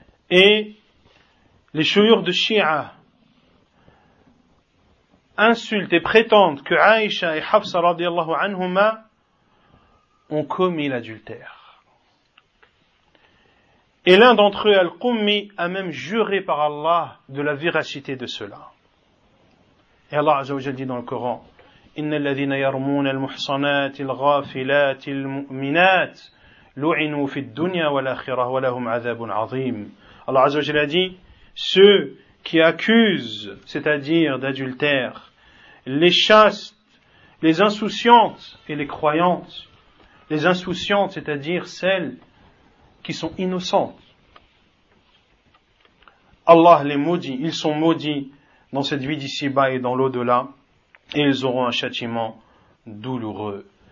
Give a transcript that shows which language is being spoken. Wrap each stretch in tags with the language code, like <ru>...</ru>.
<fr>Et les chouyours de Shia insultent et prétendent que Aïcha et Hafsa radiallahu anhuma ont commis l'adultère. Et l'un d'entre eux, Al-Qummi, a même juré par Allah de la véracité de cela. Et Allah Azza wa Jalla dit dans le Coran,</fr> <ar>إِنَّ الَّذِينَ يَرْمُونَ الْمُحْصَنَاتِ الْغَافِلَاتِ الْمُؤْمِنَاتِ لُعِنُوا فِي الدُّنْيَا وَالْآخِرَةِ وَلَهُمْ عَذَابٌ عَظِيمٌ.</ar> <fr>Allah Azza wa Jalla dit, ceux qui accusent, c'est-à-dire d'adultère, les chastes, les insouciantes et les croyantes, les insouciantes, c'est-à-dire celles qui sont innocentes, Allah les maudit, ils sont maudits dans cette vie d'ici-bas et dans l'au-delà, et ils auront un châtiment douloureux.</fr>